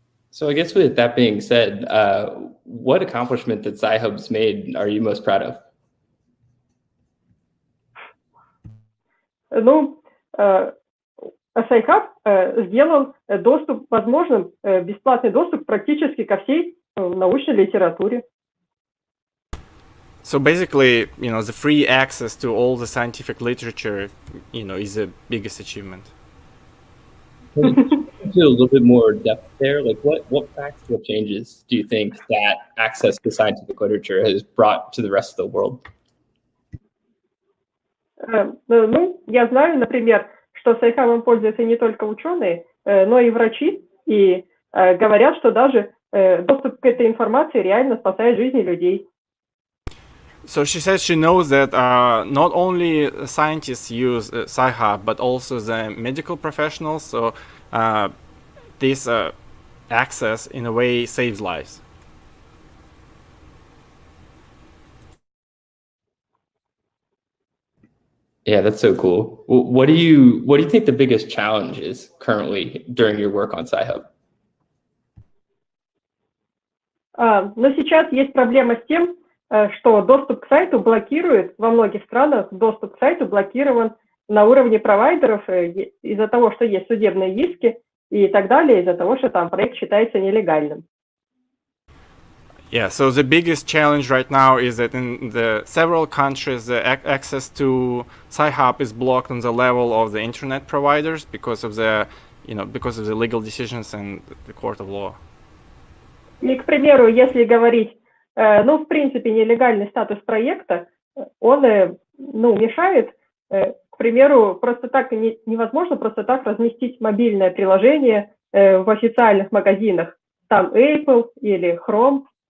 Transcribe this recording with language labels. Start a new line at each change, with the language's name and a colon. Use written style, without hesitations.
English: So I guess with that being said, what accomplishment that Sci-Hub's made are you most proud of?
Russian: Ну, Sci-Hub сделал доступ возможным, бесплатный доступ практически ко всей научной литературе.
English: So basically, you know, the free access to all the scientific literature, you know, is the biggest achievement. Can you go into a little bit more depth there? Like, what practical changes do you think that access to scientific literature has brought to the rest of the world?
Russian: Ну, я знаю, например, что Sci-Hub'ом пользуются не только ученые, но и врачи, и говорят, что даже доступ к этой информации реально спасает жизни людей.
English: So she says she knows that not only scientists use Sci-Hub, but also the medical professionals, so this access, in a way, saves lives. Yeah, that's so cool. What do you think the biggest challenge is currently during your work on Sci-Hub?
Russian: Но сейчас есть проблема с тем, что доступ к сайту блокирует во многих странах. Доступ к сайту блокирован на уровне провайдеров из-за того, что есть судебные иски и так далее, из-за того, что там проект считается нелегальным.
English: Yeah, so the biggest challenge right now is that in the several countries, the access to Sci-Hub is blocked on the level of the internet providers because of the, you know, because of the legal decisions and the court of law.
Russian: И, к примеру, если говорить, ну, в принципе, нелегальный статус проекта, он, ну, мешает, к примеру, просто так невозможно просто так разместить мобильное приложение в официальных магазинах, там Apple или Chrome.